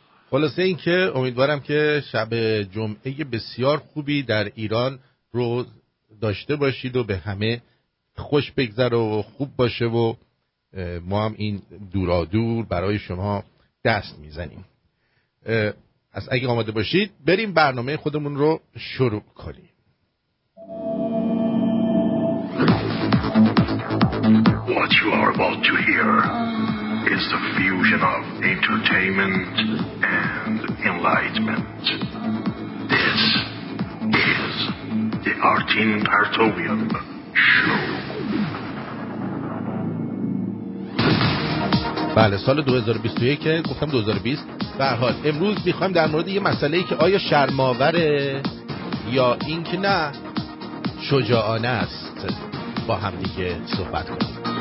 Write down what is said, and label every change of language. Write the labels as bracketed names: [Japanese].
[Persian] خلاصه این که امیدوارم که شب جمعه بسیار خوبی در ایران رو داشته باشید و به همه خوش بگذره و خوب باشه و ما هم این دورا دور برای شما دست میزنیم. از اگه آماده باشید بریم برنامه خودمون رو شروع کنیم. [English] What you are about to hear is the fusion of entertainment and enlightenment. This is the Artin Partovian show. [Persian] بله سال 2021 گفتم 2020 به هر حال امروز میخوام در مورد یه مسئله ای که آیا شرم‌آوره یا این که نه شجاعانه است با هم دیگه صحبت کنیم.